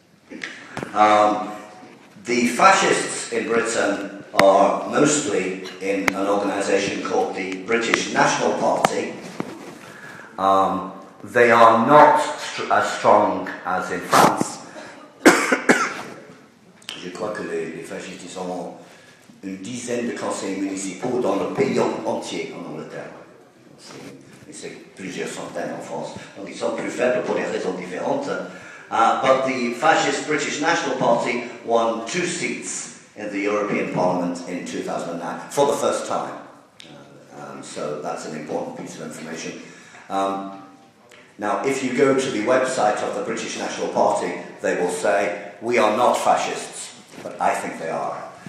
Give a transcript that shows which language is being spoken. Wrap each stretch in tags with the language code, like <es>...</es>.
<en>The fascists in Britain are mostly in an organisation called the British National Party. They are not as strong as in France.</en> <fr>Je crois que les fascistes ont une dizaine de conseils municipaux dans le pays entier en Angleterre. Et c'est plusieurs centaines en France. Donc ils sont plus faibles pour des raisons différentes.</fr> <en>But the fascist British National Party won 2 seats in the European Parliament in 2009 for the first time. So that's an important piece of information. Now, if you go to the website of the British National Party, they will say, we are not fascists, but I think they are.</en>